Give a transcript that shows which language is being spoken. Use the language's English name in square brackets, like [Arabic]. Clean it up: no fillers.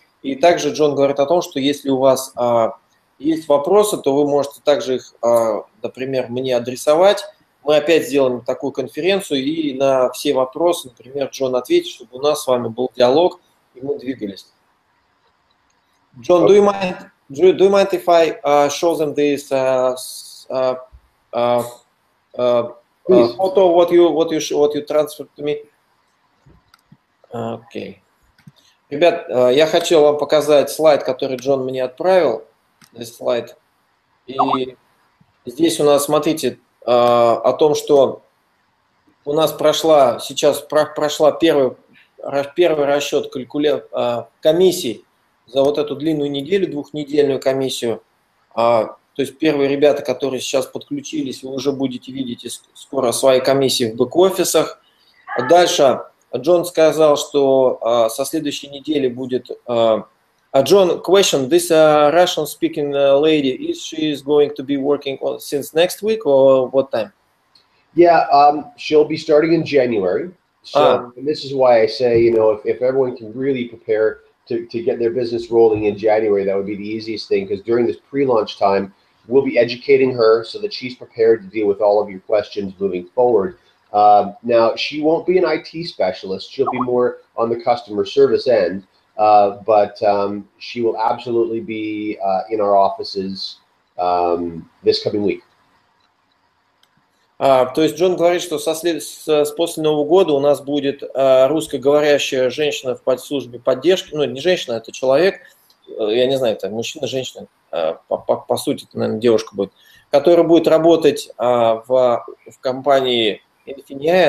[Russian] И также Джон говорит о том, что если у вас есть вопросы, то вы можете также их, например, мне адресовать. Мы опять сделаем такую конференцию, и на все вопросы, например, Джон ответит, чтобы у нас с вами был диалог, и мы двигались. [English] Джон, do you mind if I show them this photo what you transferred to me? Okay. [Russian] Ребят, я хотел вам показать слайд, который Джон мне отправил. [English] This slide. [Russian] И здесь у нас, смотрите, о том, что у нас прошла сейчас прошла первый расчет комиссии за вот эту длинную неделю, двухнедельную комиссию. То есть первые ребята, которые сейчас подключились, вы уже будете видеть скоро свои комиссии в бэк-офисах. Дальше Джон сказал, что со следующей недели будет... [English] Джон, question, this Russian-speaking lady, is she is going to be working since next week or what time? Yeah, she'll be starting in January. So and this is why I say, you know, if everyone can really prepare to get their business rolling in January, that would be the easiest thing, because during this pre-launch time, we'll be educating her so that she's prepared to deal with all of your questions moving forward. Now, she won't be an IT specialist. She'll be more on the customer service end. But she will absolutely be in our offices this coming week. [Russian] То есть Джон говорит, что с после Нового года у нас будет русскоговорящая женщина в подслужбе поддержки. Ну, не женщина, это человек. Я не знаю, это мужчина, женщина. По сути, это, наверное, девушка будет. Которая будет работать в компании Infineon.